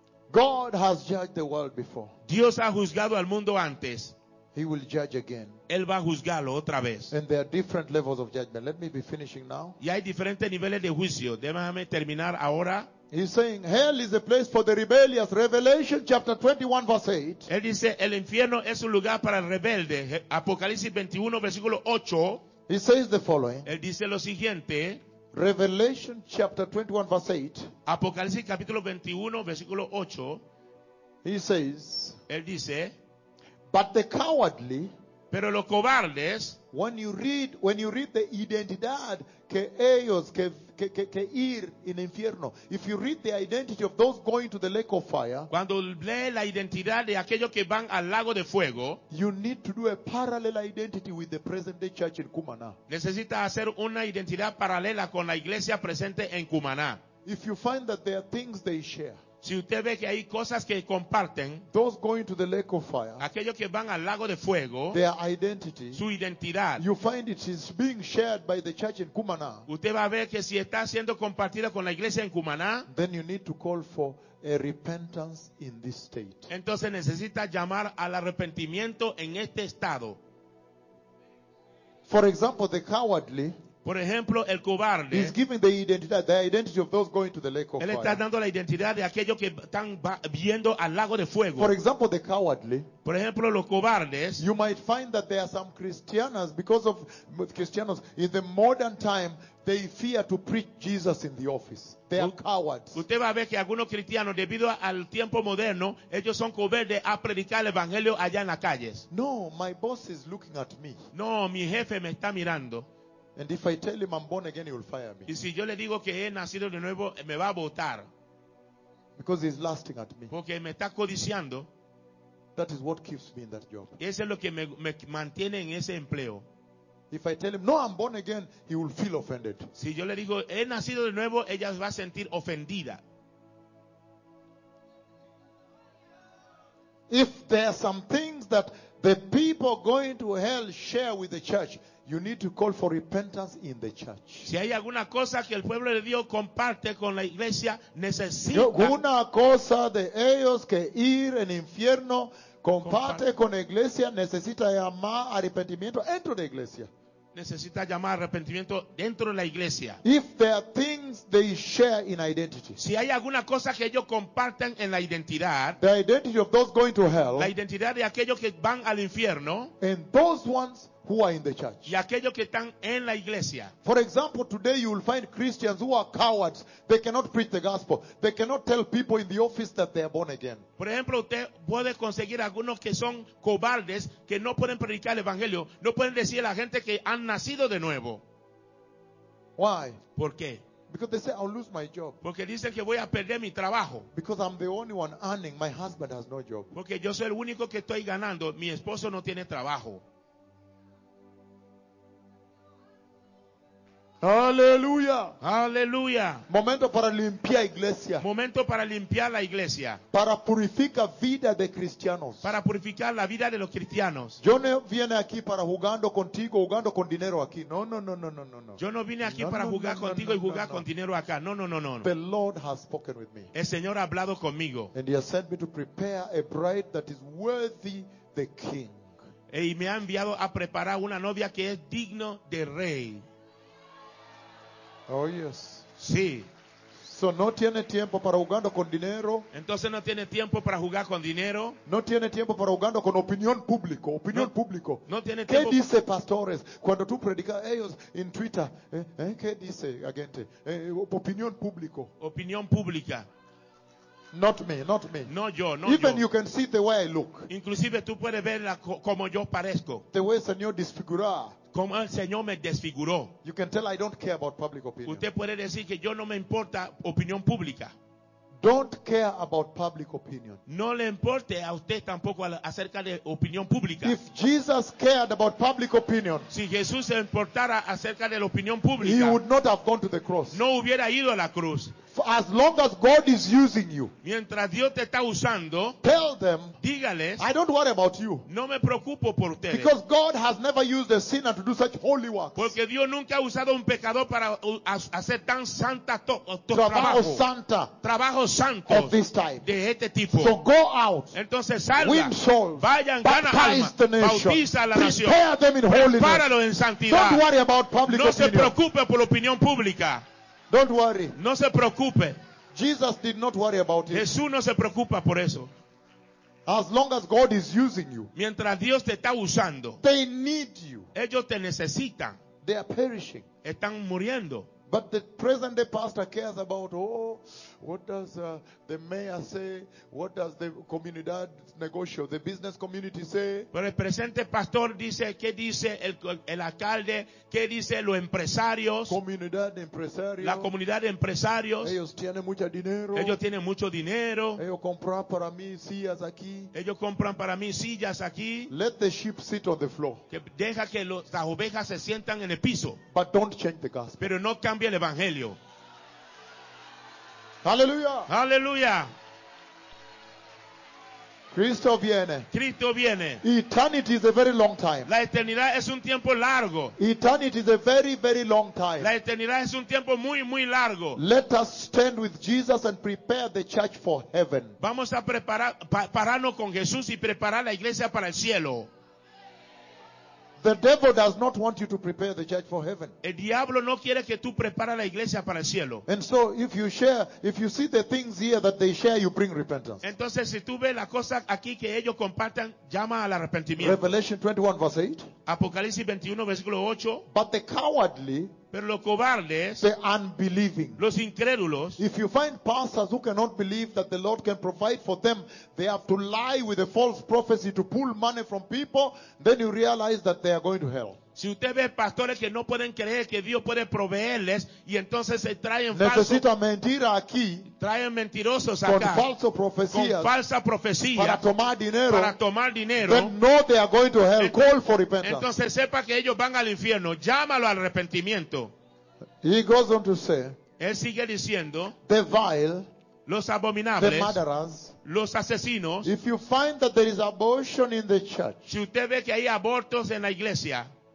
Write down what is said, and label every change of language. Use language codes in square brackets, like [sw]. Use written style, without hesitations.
[en] God has judged the world before. [es] Dios ha juzgado al mundo antes. [en] He will judge again. [es] Él va a juzgarlo otra vez. [en] And there are different levels of judgment. Let me be finishing now. [es] Y hay diferentes niveles de juicio. Déjame terminar ahora. [en] He's saying hell is a place for the rebellious. Revelation chapter 21 verse 8. [es] Él dice el infierno es un lugar para el rebelde. Apocalipsis 21 versículo 8. [en] He says the following. [es] Él dice lo siguiente. [en] Revelation chapter 21 verse 8. [es] Apocalipsis capítulo 21 versículo 8. [en] He says. [es] Él dice. [en] But the cowardly. [es] Pero los cobardes. [en] When you read the [es] identidad que ellos que ir en infierno. [en] If you read the identity of those going to the lake of fire. [es] Cuando lee la identidad de aquellos que van al lago de fuego. [en] You need to do a parallel identity with the present day church in Cumaná. [es] Necesita hacer una identidad paralela con la iglesia presente en Cumaná. [en] If you find that there are things they share. [es] Si usted ve que hay cosas que comparten, [en] those going to the lake of fire, [es] aquellos que van al lago de fuego, [en] their identity, [es] su identidad, [en] you find it is being shared by the church in Cumaná. [es] Usted va a ver que si está siendo compartida con la iglesia en Cumaná, [en] then you need to call for a repentance in this state. [es] Entonces necesita llamar al arrepentimiento en este estado. [en] For example, the cowardly, [es] Por ejemplo, el cobarde. [en] He's giving the identity of those going to the lake of fire. [es] Él está dando la identidad de aquellos que están viendo al lago de fuego. [en] For example, the cowardly. [es] Por ejemplo, los cobardes. [en] You might find that there are some Christians, because of Christians in the modern time, they fear to preach Jesus in the office. They are cowards. [es] Usted va a ver que algunos cristianos, debido al tiempo moderno, ellos son cobardes a predicar el evangelio allá en las calles. [en] No, my boss is looking at me. [es] No, mi jefe me está mirando. [en] And if I tell him I'm born again, he will fire me. [es] Y si yo le digo que he nacido de nuevo, me va a botar. [en] Because he's lusting at me. [es] Porque me está codiciando. [en] That is what keeps me in that job. [es] Eso es lo que me mantiene en ese empleo. [en] If I tell him, no, I'm born again, he will feel offended. [es] Si yo le digo, he nacido de nuevo, ella va a sentir ofendida. [en] If there are some things that the people going to hell share with the church, you need to call for repentance in the church. [es] Si hay alguna cosa que el pueblo de Dios comparte con la iglesia, necesita... Si alguna cosa de ellos que ir en infierno comparte con la iglesia, necesita llamar arrepentimiento dentro de la iglesia. Necesita llamar arrepentimiento dentro de la iglesia. [en] If there are things they share in identity. [es] Si hay alguna cosa que ellos comparten en la identidad. [en] The identity of those going to hell. [es] La identidad de aquellos que van al infierno. [en] And those ones who are in the church. [es] Y aquellos que están en la iglesia. [en] For example, today you will find Christians who are cowards. They cannot preach the gospel. They cannot tell people in the office that they are born again. [es] Por ejemplo, usted puede conseguir algunos que son cobardes, que no pueden predicar el evangelio, no pueden decir a la gente que han nacido de nuevo. [en] Why? [es] ¿Por qué? [en] Because they say I'll lose my job. [es] Porque dicen que voy a perder mi trabajo. [en] Because I'm the only one earning. My husband has no job. [es] Porque yo soy el único que estoy ganando. Mi esposo no tiene trabajo. Aleluya. Aleluya. Momento para limpiar iglesia. Momento para limpiar la iglesia. Para purificar vida de cristianos. Para purificar la vida de los cristianos. Yo no vine aquí para jugando contigo, jugando con dinero aquí. No, no, no, no, no, no. Yo no vine aquí para jugar contigo y jugar con dinero acá. No, no, no, no. [en] The Lord has spoken with me. [es] El Señor ha hablado conmigo. [en] And he has sent me to prepare a bride that is worthy the king. [es] Y me ha enviado a preparar una novia que es digno de rey. [en] Oh yes. [es] Sí. So no tiene tiempo para jugando con dinero. Entonces no tiene tiempo para jugar con dinero. No tiene tiempo para jugando con opinión público. Opinión no, público. No tiene ¿qué tiempo. ¿Qué dice pastores cuando tú predicas ellos en Twitter? ¿Qué dice agente? Opinión público. Opinión pública. [en] Not me, not me. [es] No yo, no [en] even [es] yo. [en] Even you can see the way I look. [es] Inclusive tú puedes ver como yo parezco. [en] The way [es] Señor disfigura. Como el Señor me desfiguró. [en] You can tell I don't care about public opinion. [es] Usted puede decir que yo no me importa opinión pública. [en] Don't care about public opinion. [es] No le importe a usted tampoco acerca de opinión pública. [en] If Jesus cared about public opinion, [es] si Jesús se importara acerca de la opinión pública, [en] he would not have gone to the cross. [es] No hubiera ido a la cruz. [en] For as long as God is using you, [es] mientras Dios te está usando, [en] tell them, [es] dígales, [en] I don't worry about you. [es] No me preocupo por ustedes. [en] Because God has never used a sinner to do such holy works. [es] Porque Dios nunca ha usado un pecador para hacer tan santa trabajo santo [en] of this type. [es] De este tipo. [en] So go out. [es] Entonces salga. [en] Win souls. [es] Vayan, gana almas. Bautiza la nación. [en] Prepare them in holiness. [es] Prepáralo en santidad. [en] Don't worry about public opinion. [es] No se preocupe por la opinión pública. [en] Don't worry. [es] No se preocupe. [en] Jesus did not worry about it. [es] Jesús no se preocupa por eso. [en] As long as God is using you. [es] Mientras Dios te está usando. [en] They need you. [es] Ellos te necesitan. [en] They are perishing. [es] Están muriendo. [en] But the present day pastor cares about, oh, what does the mayor say? What does the [es] comunidad negocio, [en] the business community say? [es] Pero el presente pastor dice, ¿qué dice el alcalde? ¿Qué dice los empresarios? Comunidad de empresarios. La comunidad de empresarios. Ellos tienen mucho dinero. Ellos tienen mucho dinero. Ellos compran para mí sillas aquí. Ellos compran para mí sillas aquí. [en] Let the sheep sit on the floor. [es] Que deja que las ovejas se sientan en el piso. [en] But don't change the gospel. [es] Pero no cambia el evangelio. Aleluya. Aleluya. Cristo viene. Cristo viene. [en] Eternity is a very long time. [es] La eternidad es un tiempo largo. [en] Eternity is a very, very long time. [es] La eternidad es un tiempo muy, muy largo. [en] Let us stand with Jesus and prepare the church for heaven. [es] Vamos a prepararnos con Jesús y preparar la iglesia para el cielo. [en] The devil does not want you to prepare the church for heaven. [es] El diablo no quiere que tú prepares la iglesia para el cielo. [en] And so if you share, if you see the things here that they share, you bring repentance. [es] Entonces si tú ves la cosa aquí que ellos compartan, llama al arrepentimiento. [en] Revelation 21 verse 8. [es] Apocalipsis 21 versículo 8. [en] But the cowardly, [es] pero los cobardes, [en] the unbelieving, [es] los incrédulos, [en] if you find pastors who cannot believe that the Lord can provide for them, they have to lie with a false prophecy to pull money from people, then you realize that they are going to hell. [es] Si usted ve pastores que no pueden creer que Dios puede proveerles y entonces se traen necesita falso, mentira aquí, traen mentirosos acá, con falso profecía, con falsa profecía, para tomar dinero, [en] then know they are going to hell. Call for repentance. [es] Entonces sepa que ellos van al infierno, llámalo al arrepentimiento. [en] He goes on to say, [es] él sigue diciendo, [en] the vile, [es] los abominables, [en] the murderers, [es] los asesinos, [en] if you find that there is abortion in the church, [es] si usted ve que hay abortos en la iglesia,